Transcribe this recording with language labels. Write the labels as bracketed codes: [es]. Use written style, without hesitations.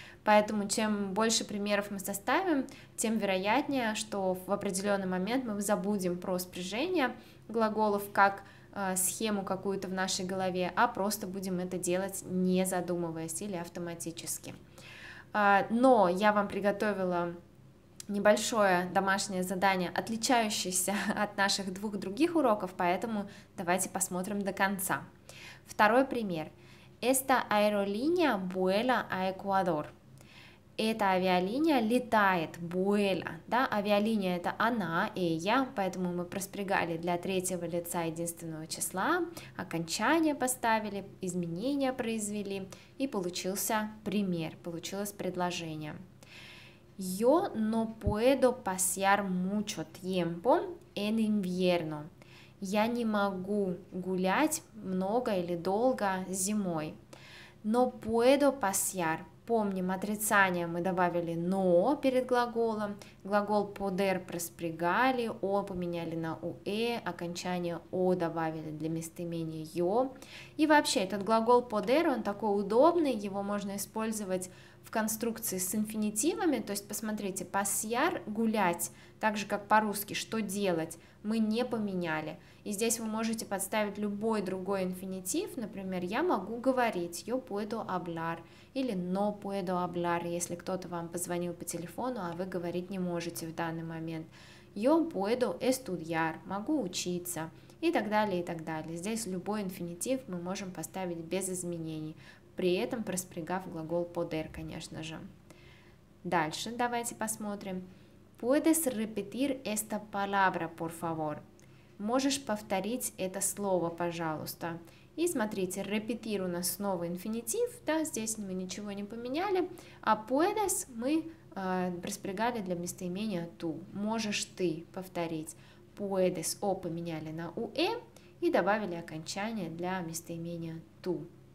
[ru] Поэтому чем больше примеров мы составим, тем вероятнее, что в определенный момент мы забудем про спряжение глаголов как схему какую-то в нашей голове, а просто будем это делать, не задумываясь или автоматически. Но я вам приготовила небольшое домашнее задание, отличающееся от наших двух других уроков, поэтому давайте посмотрим до конца. Второй пример. [es] Esta aerolínea vuela a Ecuador. [ru] Эта авиалиния летает, vuela, да, авиалиния это она, ella, поэтому мы проспрягали для третьего лица единственного числа, окончание поставили, изменения произвели, и получился пример, получилось предложение. [es] Yo no puedo pasear mucho tiempo en invierno. [ru] Я не могу гулять много или долго зимой. [es] No puedo pasear, [ru] Помним, отрицание мы добавили «но» перед глаголом. Глагол «podere» проспрягали, «о» поменяли на «уэ», окончание «о» добавили для местоимения «ё». И вообще, этот глагол «podere», он такой удобный, его можно использовать в конструкции с инфинитивами. То есть, посмотрите, «pasear» – «гулять», так же, как по-русски «что делать» мы не поменяли. И здесь вы можете подставить любой другой инфинитив. Например, «я могу говорить», [es] «yo puedo hablar». [ru] Или [es] «no puedo hablar», [ru] если кто-то вам позвонил по телефону, а вы говорить не можете в данный момент. [es] «Yo puedo estudiar», [ru] «могу учиться», и так далее, и так далее. Здесь любой инфинитив мы можем поставить без изменений, при этом проспрягав глагол «poder», конечно же. Дальше давайте посмотрим. [es] «Puedes repetir esta palabra, por favor?» [ru] «Можешь повторить это слово, пожалуйста?» И смотрите, repetir у нас снова инфинитив, да, здесь мы ничего не поменяли, а puedes мы распрягали для местоимения to. Можешь ты повторить. Puedes, o поменяли на ue и добавили окончание для местоимения to.